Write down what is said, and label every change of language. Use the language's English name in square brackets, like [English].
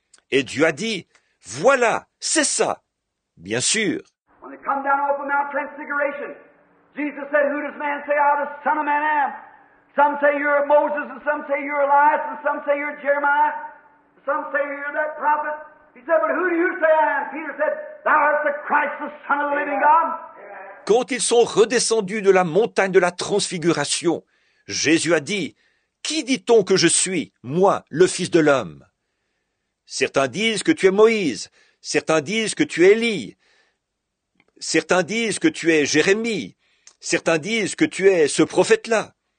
[French] Et Dieu a dit, voilà, c'est ça. Bien sûr. [English] When they come down off the Mount Transfiguration, Jesus said, who does man say I, the Son of Man, am? Some say you're Moses, and some say you're Elias, and some say you're Jeremiah. Some say you're that prophet. He said, but who do you say I am? Peter said, thou art the Christ, the Son of the living God. [French] Quand ils sont redescendus de la montagne de la Transfiguration, Jésus a dit, « Qui dit-on que je suis, moi, le Fils de l'homme ?» Certains disent que tu es Moïse, certains disent que tu es Élie, certains disent que tu es Jérémie, certains disent que tu es ce prophète-là.